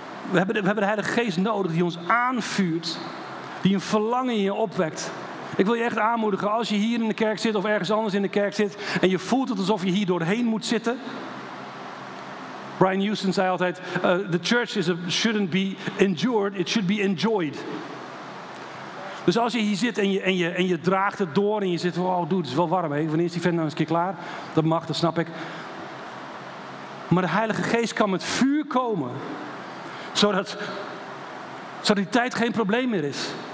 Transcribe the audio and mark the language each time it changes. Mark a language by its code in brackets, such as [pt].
[nl] We hebben de Heilige Geest nodig die ons aanvuurt. Die een verlangen in je opwekt. Ik wil je echt aanmoedigen, als je hier in de kerk zit of ergens anders in de kerk zit. En je voelt het alsof je hier doorheen moet zitten. [en] Brian Houston [nl] zei altijd, [en] the church shouldn't be endured, it should be enjoyed. [nl] Dus als je hier zit en je draagt het door en je zit, oh dude, het is wel warm, hè? Wanneer is die vent nou eens een keer klaar? Dat mag, dat snap ik. Maar de Heilige Geest kan met vuur komen, zodat die tijd geen probleem meer is.